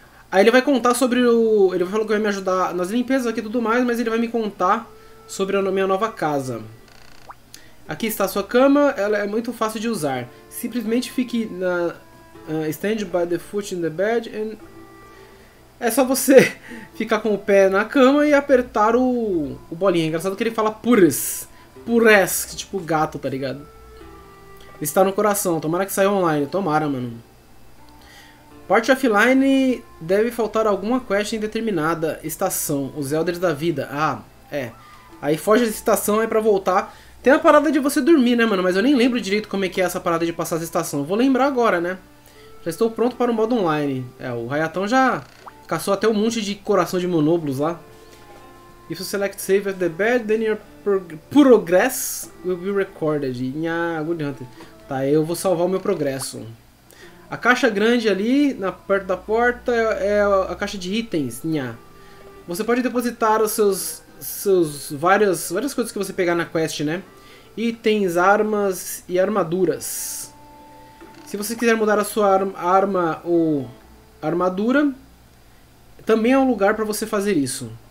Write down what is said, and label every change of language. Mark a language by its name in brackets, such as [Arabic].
[Portuguese] Aí ele vai contar sobre o... Ele falou que vai me ajudar nas limpezas aqui e tudo mais, mas ele vai me contar sobre a minha nova casa. Aqui está a sua cama, ela é muito fácil de usar. Simplesmente fique na... [English] stand by the foot in the bed and... [Portuguese] É só você ficar com o pé na cama e apertar o bolinho. É engraçado que ele fala purrs. Purés, tipo gato, tá ligado? Está no coração, tomara que saia online. Tomara, mano. Parte offline, deve faltar alguma quest em determinada estação. Os Elders da Vida. Ah, é. Aí foge da estação, é pra voltar. Tem a parada de você dormir, né, mano? Mas eu nem lembro direito como é que é essa parada de passar as estações. Vou lembrar agora, né? Já estou pronto para o modo online. É, o Hayatão já caçou até um monte de coração de monóblos lá. [English] If you select save at the bed, then your progress will be recorded. Nha, good hunter. [Portuguese] Tá, eu vou salvar o meu progresso. A caixa grande ali, na, perto da porta, é a caixa de itens. Nha. Você pode depositar os várias coisas que você pegar na quest, né? Itens, armas e armaduras. Se você quiser mudar a sua arma ou armadura, também é um lugar pra você fazer isso.